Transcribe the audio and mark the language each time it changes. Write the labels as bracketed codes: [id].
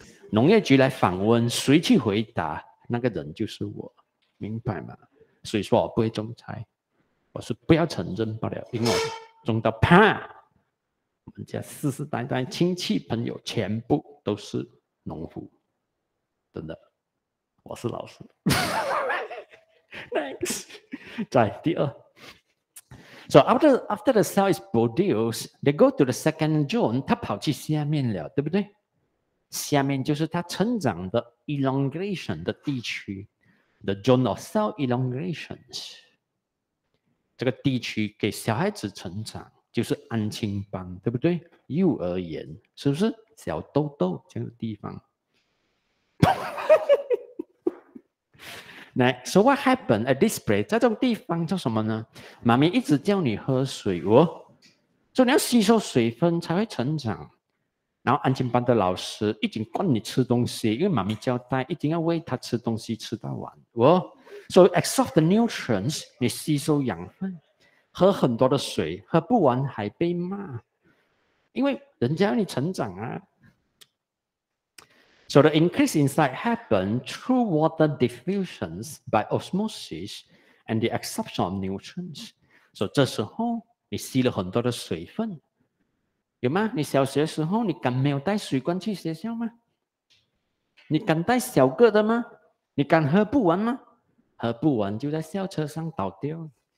[zh] 农业局来访问，谁去回答？那个人就是我，明白吗？所以说我不会种菜，我是不要承认罢了，因为我种到怕。我们家世世代代亲戚朋友全部都是农夫，真的，我是老师。 [en] Thanks。 [zh] 再第二 [en] ，So after the cell is produced, they go to the second zone. [zh] 它跑去下面了，对不对？下面就是它成长的 elongation 的地区 ， [en] the zone of cell elongations。 [zh] 这个地区给小孩子成长。就是安亲班，对不对？幼儿园是不是小豆豆这个地方？来， [en] So what happened at this place？ [zh] 在这种地方叫什么呢？妈咪一直叫你喝水哦，所以你要吸收水分才会成长。然后安亲班的老师已经灌你吃东西，因为妈咪交代一定要喂他吃东西吃到完哦。 [en] So absorb the nutrients， [zh] 你吸收养分。喝很多的水，喝不完还被骂，因为人家要你成长啊。 [en] So the increase in size happens through water diffusions by osmosis and the absorption of nutrients. [zh] So 这时候你吸了很多的水分，有吗？你小学的时候你敢没有带水罐去学校吗？你敢带小个的吗？你敢喝不完吗？喝不完就在校车上倒掉。